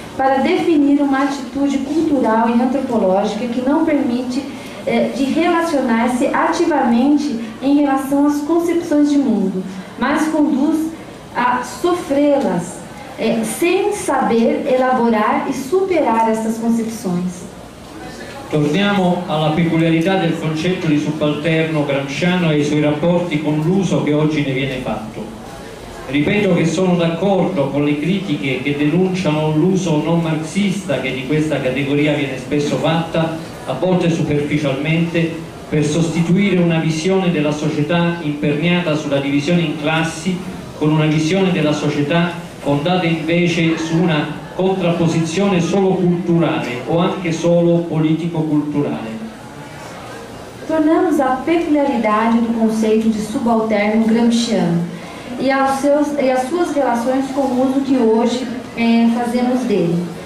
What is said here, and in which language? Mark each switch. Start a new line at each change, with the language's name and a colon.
Portuguese: Para definir uma atitude cultural e antropológica que não permite de relacionar-se ativamente em relação às concepções de mundo, mas conduz a sofrê-las sem saber elaborar e superar essas concepções.
Italian: Torniamo alla peculiarità del concetto di subalterno gramsciano e ai suoi rapporti con l'uso che oggi ne viene fatto. Ripeto che sono d'accordo con le critiche che denunciano l'uso non marxista che di questa categoria viene spesso fatta, a volte superficialmente, per sostituire una visione della società imperniata sulla divisione in classi con una visione della società fondata invece su una contrapposizione solo culturale o anche solo politico-culturale.
Portuguese: Tornamos à peculiaridade do conceito de subalterno gramsciano e as suas relações com o uso que hoje fazemos dele.